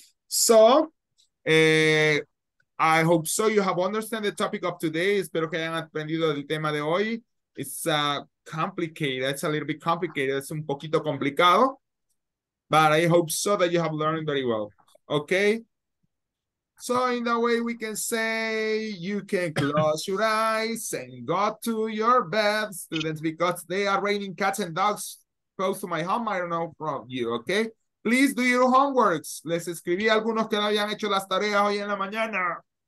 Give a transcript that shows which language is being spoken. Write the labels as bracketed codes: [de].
[en] So, I hope so you have understood the topic of today. [es] Espero que hayan aprendido el tema de hoy. [en] It's complicated. It's a little bit complicated. [es] Es un poquito complicado. [en] But I hope so that you have learned very well. Okay. So in that way, we can say you can close your eyes and go to your bed, students, because they are raining cats and dogs close to my home. I don't know from you, okay? Please do your homeworks. [es] Les escribí a algunos que no habían hecho las tareas hoy en la mañana.